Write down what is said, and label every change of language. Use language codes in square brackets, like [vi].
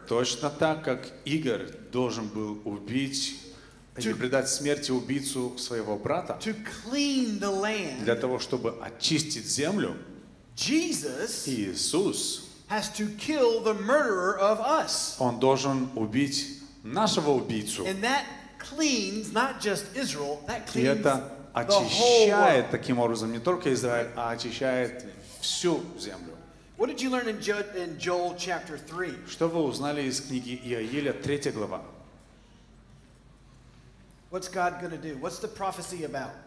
[ru] Точно так, как Игорь должен был убить или предать смерти убийцу своего брата. [en] To clean the land. [ru] Для того, чтобы очистить землю. [en] Jesus. [ru] Иисус. [en] Has to kill the murderer of us. [ru] Он должен убить нашего убийцу. [en] And that cleans not just Israel, that cleans. [ru] И это очищает таким образом не только Израиль, а очищает всю землю. [en] What did you learn in Joel chapter 3? [ru] Что вы узнали из книги Иоэля, 3 глава? [en] What's God going to do? What's the prophecy about?